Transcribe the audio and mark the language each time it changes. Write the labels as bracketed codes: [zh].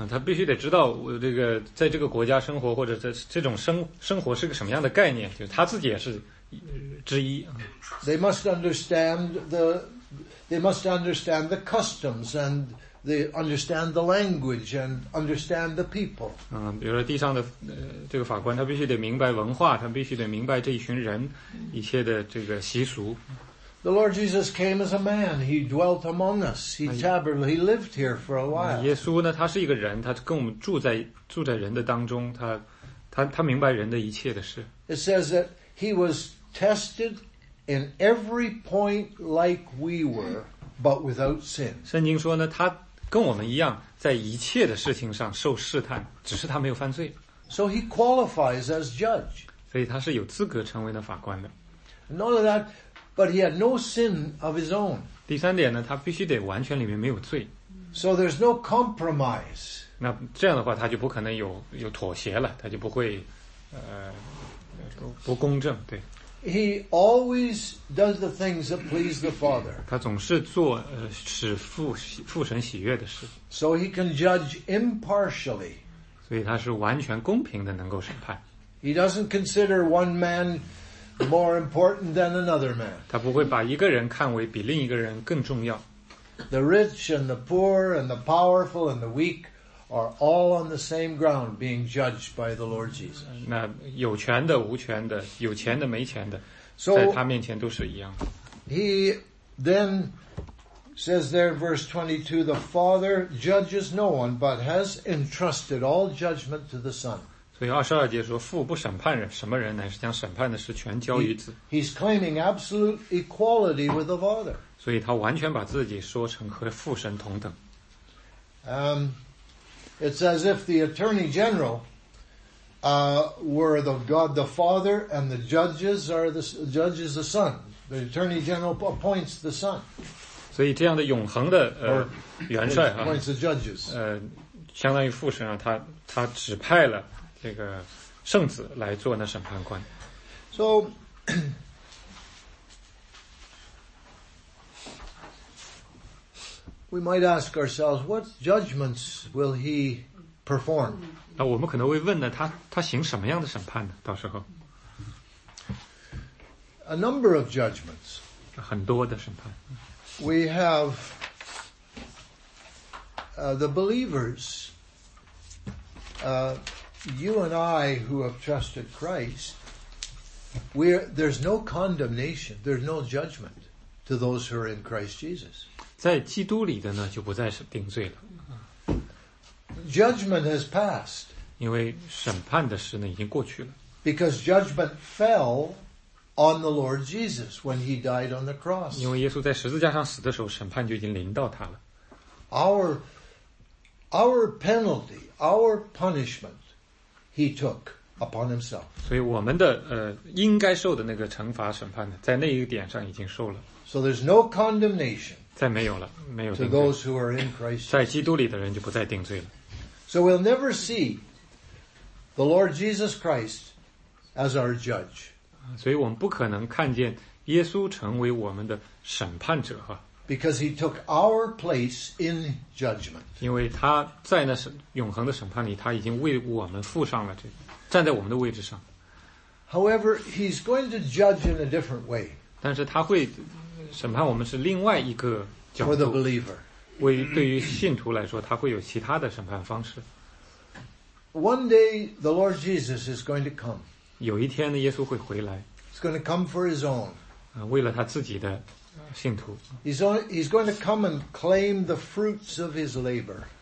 [zh] 他必须得知道这个在这个国家生活或者这种生活是个什么样的概念，就是他自己也是之一。 [en] They must understand the customs and they understand the language and understand the people. [zh] 比如说地上的这个法官，他必须得明白文化，他必须得明白这一群人一切的这个习俗。 [en] The Lord Jesus came as a man. He dwelt among us. He tabernacled. He lived here for a while. [zh] 耶稣呢，他是一个人，他跟我们住在人的当中，他明白人的一切的事。 [en] It says that he was tested in every point like we were, but without sin. [zh] 圣经说呢，他跟我们一样，在一切的事情上受试探，只是他没有犯罪。 [en] So he qualifies as judge. [zh] 所以他是有资格成为那法官的。 [en] Not only that, but he had no sin of his own. [zh] 第三点呢，他必须得完全里面没有罪。 [en] So there's no compromise. [zh] 那这样的话，他就不可能有妥协了，他就不会不公正，对。 [en] He always does the things that please the Father. [zh] 他总是做使父神喜悦的事。 [en] So he can judge impartially. [zh] 所以他是完全公平的能够审判。 [en] He doesn't consider one man more important than another man. [zh] 他不会把一个人看为比另一个人更重要。 [en] The rich and the poor and the powerful and the weak are all on the same ground being judged by the Lord Jesus. [zh] 那有权的无权的有钱的没钱的在他面前都是一样的。 [en] So, he then says there in verse 22, the Father judges no one but has entrusted all judgment to the Son. [zh] 所以22节说父不审判人什么人乃是将审判的事全交于子。 [en] He's claiming absolute equality with the Father. [zh] 所以他完全把自己说成和父神同等。 [en] It's as if the Attorney General, were the God the Father and the judges the Son. The Attorney General appoints the Son. [zh] 所以这样的永恒的元帅啊 [en] ，appoints the judges. [zh] 相当于父神啊，他指派了这个圣子来做那审判官。 [en] So, we might ask ourselves, what judgments will he perform? [zh] 那我们可能会问呢，他行什么样的审判呢？到时候 [en] ，a number of judgments， [zh] 很多的审判。 [en] we have the believers, you and I who have trusted Christ, there's no condemnation, there's no judgment to those who are in Christ Jesus. [zh] 在基督里的呢，就不再是定罪了。 [en] Judgment has passed. [zh] 因为审判的事呢，已经过去了。 [en] Because judgment fell on the Lord Jesus when he died on the cross. [zh] 因为耶稣在十字架上死的时候，审判就已经临到他了。 [en] Our penalty, our punishment, he took upon himself. [zh] 所以我们的应该受的那个惩罚审判呢，在那一点上已经受了。 [en] So there's no condemnation. [zh] 再没有了，没有定罪。 [en] To those who are in Christ. [zh] 在基督里的人就不再定罪了。 [en] So we'll never see the Lord Jesus Christ as our judge. [zh] 所以我们不可能看见耶稣成为我们的审判者哈。 [en] Because he took our place in judgment. [zh] 因为他在那永恒的审判里，他已经为我们付上了这个，站在我们的位置上。 [en] However, he's going to judge in a different way. [zh] 但是他会审判我们是另外一个角度。 [en] For the believer. [zh] 为对于信徒来说，他会有其他的审判方式。 [en] One day, the Lord Jesus is going to come. [zh] 有一天呢，耶稣会回来。 [en] He's going to come for his own. [zh] 为了他自己的。信徒 [en] he's going to come and claim the fruits of his labor.